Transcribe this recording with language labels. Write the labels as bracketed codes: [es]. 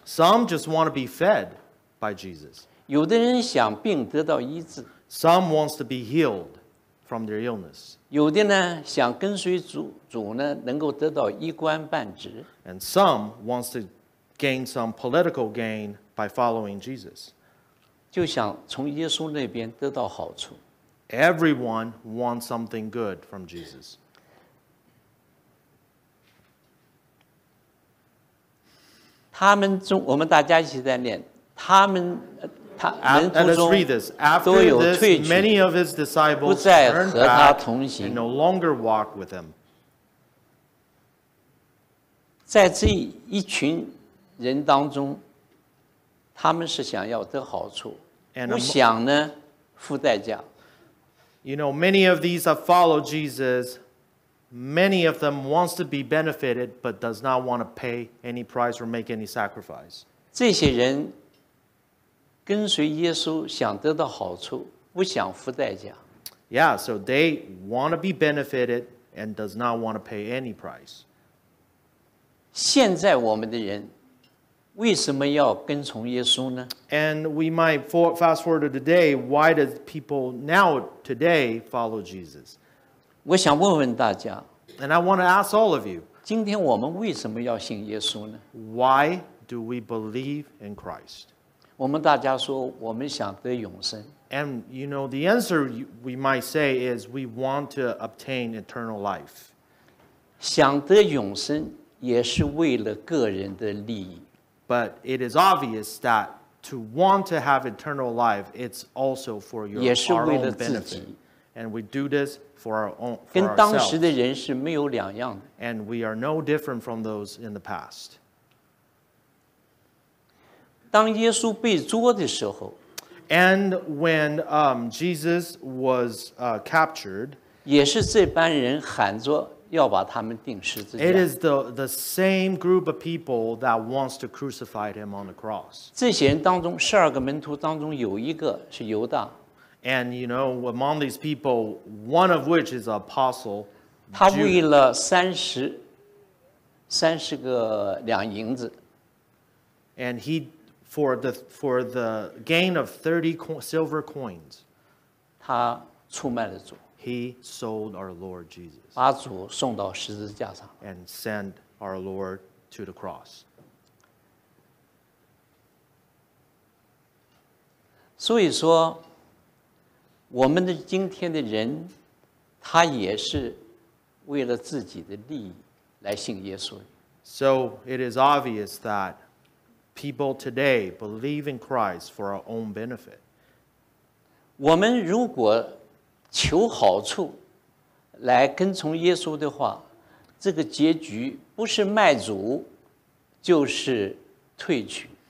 [en] Some just want to be fed by Jesus. [zh] 有的人想病得到医治。 [en] Some wants to be healed from their illness. [zh] 有的呢想跟随主呢能够得到一官半职。 [en] And some wants to gain some political gain by following Jesus. [zh] 就想从耶稣那边得到好处。 [en] Everyone wants something good from Jesus. [zh] 他们中我们大家一起在念他们 [en] And let's read this. After this, many of his disciples turned back and no longer walked with him. [zh] 在这一群人当中，他们是想要得好处，不想呢付代价。 [en] You know, many of these that follow Jesus, many of them wants to be benefited, but does not want to pay any price or make any sacrifice. [zh] 这些人。跟随耶稣想得到好处，不想付代价。 [en] Yeah, so they want to be benefited and does not want to pay any price. [zh] 现在我们的人为什么要跟从耶稣呢？ [en] And we might fast forward to today, why do people now today follow Jesus? [zh] 我想问问大家。 [en] And I want to ask all of you. [zh] 今天我们为什么要信耶稣呢？ [en] Why do we believe in Christ? [zh] 我们大家说我们想得永生。 [en] And you know, the answer we might say is we want to obtain eternal life. [zh] 想得永生也是为了个人的利益。 [en] But it is obvious that to want to have eternal life, it's also for your own benefit. And we do this for our own, for ourselves. [zh] 跟当时的人是没有两样的。 [en] And we are no different from those in the past. [zh] 当耶稣被捉的时候 [en] ，and when Jesus was captured， [zh] 也是这班人喊着要把他们钉十字架。 [en] It is the same group of people that wants to crucify him on the cross。 [zh] 这些人当中，十二个门徒当中有一个是犹大。 [en] And you know, among these people, one of which is an apostle， [zh] 他为了三十个两银子 [en] ，and he。 For the gain of 30 silver coins, [zh] 他出卖了主。 [en] He sold our Lord Jesus. [zh] 把主送到十字架上。 [en] And sent our Lord to the cross. [zh] 所以说，我们的今天的人，他也是为了自己的利益来信耶稣。 [en] So it is obvious that people today believe in Christ for our own benefit. [zh] 我们如果求好处来跟从耶稣的话，这个结局不是卖主，就是退去。